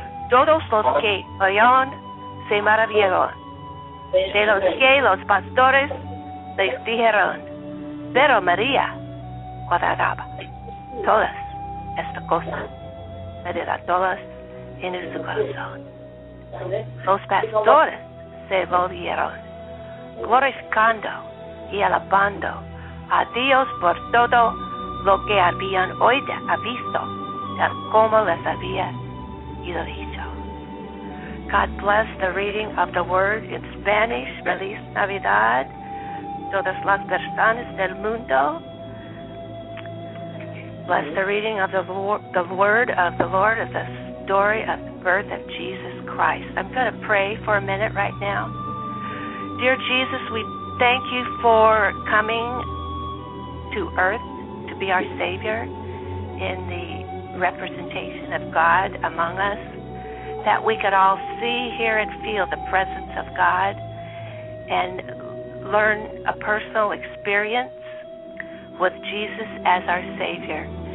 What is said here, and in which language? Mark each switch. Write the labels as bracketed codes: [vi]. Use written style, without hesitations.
[es] Todos los que oyeron se maravillaron de los que los pastores les dijeron, pero María guardaba todas estas cosas, medita todas en su corazón. Los pastores se volvieron, glorificando y alabando a Dios por todo lo que habían oído, visto, tal como les había ido dicho. [en] God bless the reading of the word in Spanish. [es] Feliz Navidad. Todas las personas del mundo. [en] Bless the reading of the word of the Lord, of the story of the birth of Jesus Christ. I'm going to pray for a minute right now. Dear Jesus, we thank you for coming to earth to be our Savior in the representation of God among us, that we could all see, hear, and feel the presence of God and learn a personal experience with Jesus as our Savior.